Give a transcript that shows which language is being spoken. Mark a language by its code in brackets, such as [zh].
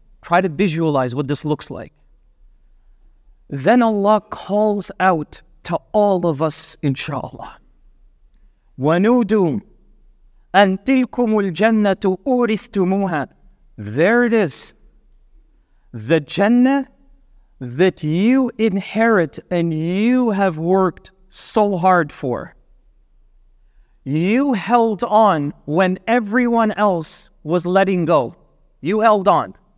[en] Try to visualize what this looks like. Then Allah calls out to all of us, inshallah. [ar] ونودوا أن تلكم الجنة أورثتموها. [en] There it is. The Jannah that you inherit and you have worked so hard for. You held on when everyone else was letting go. You held on.